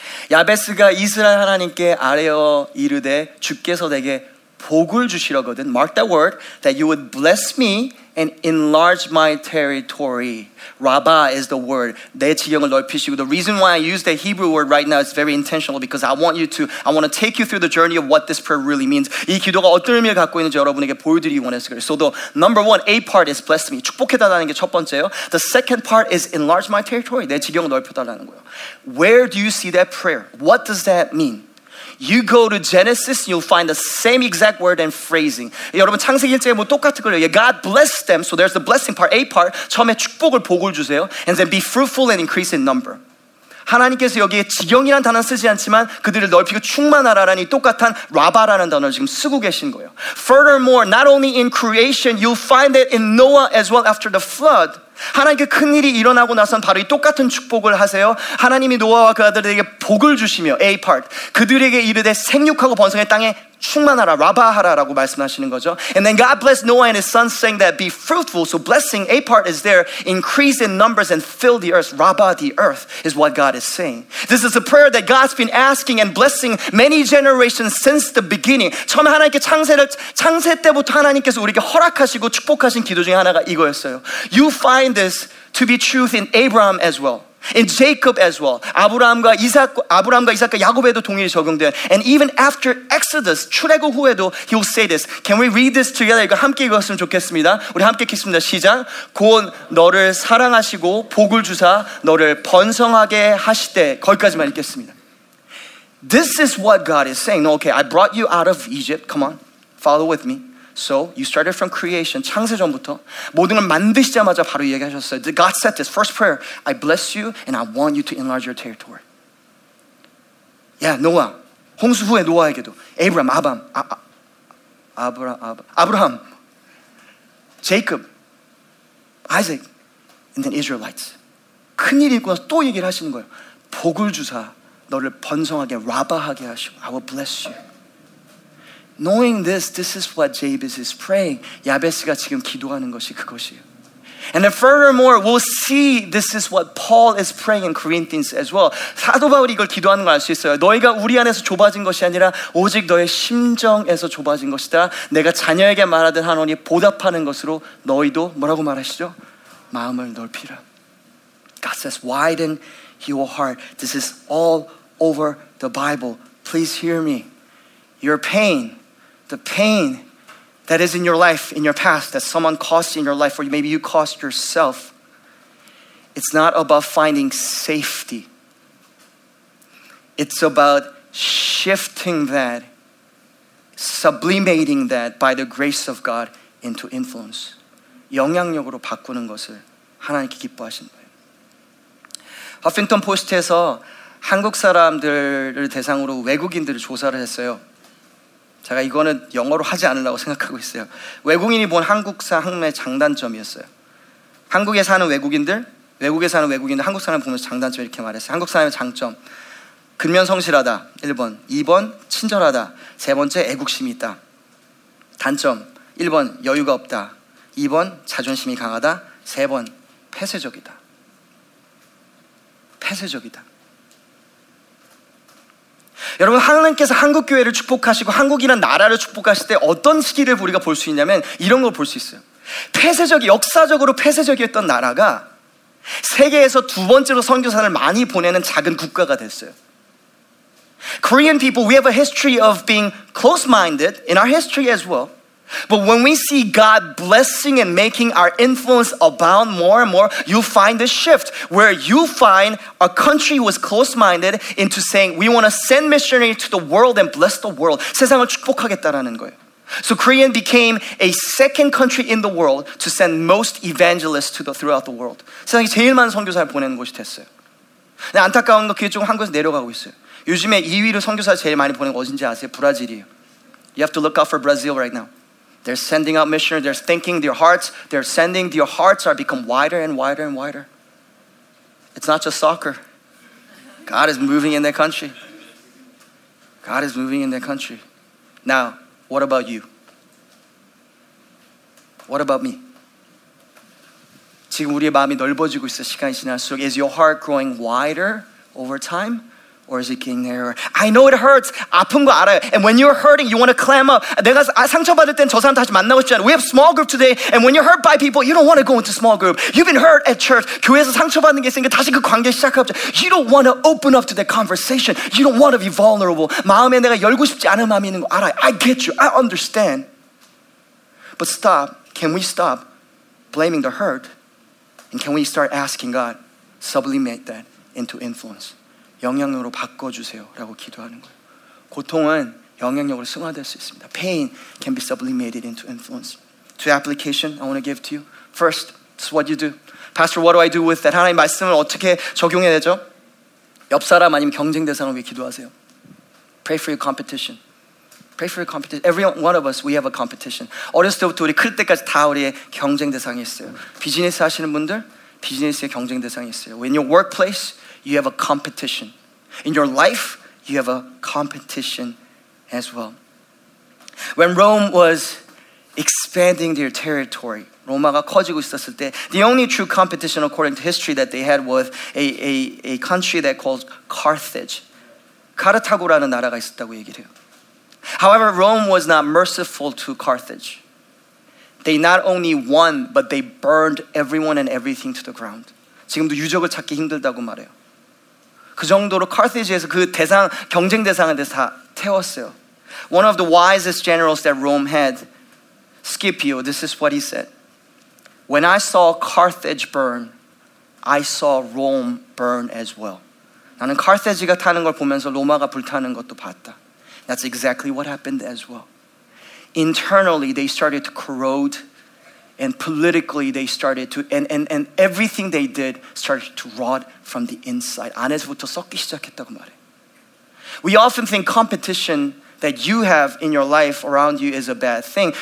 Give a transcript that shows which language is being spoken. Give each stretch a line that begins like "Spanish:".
Korean: 야베스가 이스라엘 하나님께 아뢰어 이르되 주께서 내게 복을 주시려거든.
English: Mark that word, that you would bless me and enlarge my territory. Rabba is the word.
Korean: 내 지경을 넓히시고.
English: The reason why I use the Hebrew word right now is very intentional because I want to take you through the journey of what this prayer really means.
Korean: 이 기도가 어떤 의미를 갖고 있는지 여러분에게 보여드리기 원했어요.
English: So the number one, A part is bless me.
Korean: 축복해달라는 게 첫 번째요.
English: The second part is enlarge my territory.
Korean: 내 지경을 넓혀달라는 거예요.
English: Where do you see that prayer? What does that mean? You go to Genesis, you'll find the same exact word and phrasing.
Korean: 여러분, 창세기 1장에 뭐 똑같은 거예요.
English: God blessed them, so there's the blessing part, A part.
Korean: 처음에 축복을 복을 주세요.
English: And then be fruitful and increase in number.
Korean: 하나님께서 여기에 지경이라는 단어는 쓰지 않지만 그들을 넓히고 충만하라라니 똑같은 라바라는 단어를 지금 쓰고 계신 거예요.
English: Furthermore, not only in creation, you'll find it in Noah as well after the flood.
Korean: 하나님께 큰 일이 일어나고 나선 바로 이 똑같은 축복을 하세요. 하나님이 노아와 그 아들에게 복을 주시며
English: A part
Korean: 그들에게 이르되 생육하고 번성의 땅에 충만하라 라바하라라고 말씀하시는 거죠.
English: And then God blessed Noah and his sons saying that be fruitful. So blessing A part is there. Increase in numbers and fill the earth. Rabba the earth is what God is saying. This is a prayer that God's been asking and blessing many generations since the beginning.
Korean: 처음에 하나님께 창세 때부터 하나님께서 우리에게 허락하시고 축복하신 기도 중에 하나가 이거였어요.
English: You find this to be truth in Abraham as well. In Jacob as well.
Korean: 아브라함과 이삭과 야곱에도 동일이 적용돼요.
English: And even after Exodus,
Korean: 출애굽 후에도
English: he will say this. Can we read this together?
Korean: 이거 함께 읽었으면 좋겠습니다. 우리 함께 읽겠습니다. 시작. 곧 너를 사랑하시고 복을 주사 너를 번성하게 하시되 거기까지만 읽겠습니다.
English: This is what God is saying. No, okay, I brought you out of Egypt. Come on, follow with me. So you started from creation,
Korean: 창세 전부터 모든 걸 만드시자마자 바로 얘기하셨어요.
English: God said this, first prayer, I bless you and I want you to enlarge your territory.
Korean: Yeah, Noah, 홍수 후에 노아에게도, Abraham,
English: Jacob, Isaac, and then Israelites.
Korean: 큰일이 있고 나서 또 얘기를 하시는 거예요. 복을 주사 너를 번성하게 라바하게 하시고
English: I will bless you. Knowing this, this is what Jabez is praying.
Korean: 야베스가 지금 기도하는 것이 그것이에요.
English: And then furthermore, we'll see this is what Paul is praying in Corinthians as well.
Korean: 사도 바울이 이걸 기도하는 걸 알 수 있어요. 너희가 우리 안에서 좁아진 것이 아니라 오직 너의 심정에서 좁아진 것이다. 내가 자녀에게 말하듯 하노니 보답하는 것으로 너희도 뭐라고 말하시죠? 마음을 넓히라.
English: God says, widen your heart. This is all over the Bible. Please hear me. Your pain, the pain that is in your life, in your past, that someone caused in your life, or maybe you caused yourself, it's not about finding safety. It's about shifting that, sublimating that by the grace of God into influence.
Korean: 영향력으로 바꾸는 것을 하나님께 기뻐하신 거예요. 하핑턴 포스트에서 한국 사람들을 대상으로 외국인들을 조사를 했어요. 제가 이거는 영어로 하지 않으려고 생각하고 있어요. 외국인이 본 한국사 학문의 장단점이었어요. 한국에 사는 외국인들, 외국에 사는 외국인들, 한국 사람을 보면서 장단점 이렇게 말했어요. 한국 사람의 장점. 근면 성실하다. 1번. 2번. 친절하다. 세 번째. 애국심이 있다. 단점. 1번. 여유가 없다. 2번. 자존심이 강하다. 세 번. 폐쇄적이다. 폐쇄적이다. 여러분 하나님께서 한국 교회를 축복하시고 한국이란 나라를 축복하실 때 어떤 시기를 우리가 볼 수 있냐면 이런 걸 볼 수 있어요. 폐쇄적이 역사적으로 폐쇄적이었던 나라가 세계에서 두 번째로 선교사를 많이 보내는 작은 국가가 됐어요.
English: Korean people, we have a history of being close-minded in our history as well. But when we see God blessing and making our influence abound more and more, you find the shift where you find a country who is close-minded into saying, we want to send missionaries to the world and bless the world.
Korean: 세상을 축복하겠다라는 거예요.
English: So Korean became a second country in the world to send most evangelists to the, throughout the world.
Korean: 세상에 제일 많은 선교사를 보내는 곳이 됐어요. 근데 안타까운 건 그게 조금 한국에서 내려가고 있어요. 요즘에 2위로 선교사를 제일 많이 보내는 곳 어딘지 아세요? 브라질이에요.
English: You have to look out for Brazil right now. They're sending out missionaries. They're thinking their hearts. They're sending their hearts are become wider and wider and wider. It's not just soccer. God is moving in their country. God is moving in their country. Now, what about you? What about me?
Korean: 지금 우리의 마음이 넓어지고 있어 시간이 지날수록
English: is your heart growing wider over time? Or is it getting narrower? I know it hurts.
Korean: 아픈 거 알아요.
English: And when you're hurting, you want to clam up.
Korean: 내가 상처받을 땐 저 사람 다시 만나고 싶지 않아.
English: We have small group today. And when you're hurt by people, you don't want to go into small group. You've been hurt at church.
Korean: 교회에서 상처받는 게 있으니까 다시 그 관계 시작하자.
English: You don't want to open up to that conversation. You don't want to be vulnerable.
Korean: 마음에 내가 열고 싶지 않은 마음이 있는 거 알아요.
English: I get you. I understand. But stop. Can we stop blaming the hurt? And can we start asking God sublimate that into influence?
Korean: 영향력으로 바꿔주세요 라고 기도하는 거예요. 고통은 영향력으로 승화될 수 있습니다.
English: Pain can be sublimated into influence. Two applications I want to give to you. First, this is what you do. Pastor, what do I do with that?
Korean: 하나님 말씀을 어떻게 적용해야 되죠? 옆 사람 아니면 경쟁 대상을 위해 기도하세요.
English: Pray for your competition. Pray for your competition. Every one of us, we have a competition.
Korean: 어렸을 때부터 우리 클 때까지 다 우리의 경쟁 대상이 있어요. 비즈니스 하시는 분들, 비즈니스의 경쟁 대상이 있어요.
English: In your workplace, you have a competition. In your life, you have a competition as well. When Rome was expanding their territory,
Korean: 로마가 커지고 있었을 때,
English: the only true competition according to history that they had was a country that called Carthage.
Korean: 카르타고라는 나라가 있었다고 얘기를 해요.
English: However, Rome was not merciful to Carthage. They not only won, but they burned everyone and everything to the ground.
Korean: 지금도 유적을 찾기 힘들다고 말해요. 그 정도로 카르타고에서 그 대상 경쟁 대상에 대해서 다 태웠어요.
English: One of the wisest generals that Rome had, Scipio, this is what he said. When I saw Carthage burn, I saw Rome burn as well.
Korean: 나는 카르타고가 타는 걸 보면서 로마가 불타는 것도 봤다.
English: That's exactly what happened as well. Internally, they started to corrode, and politically, they started to, and everything they did started to rot from the inside.
Korean: 안에서부터 썩기 시작했다고 말해.
English: We often think competition that you have in your life around you is a bad thing.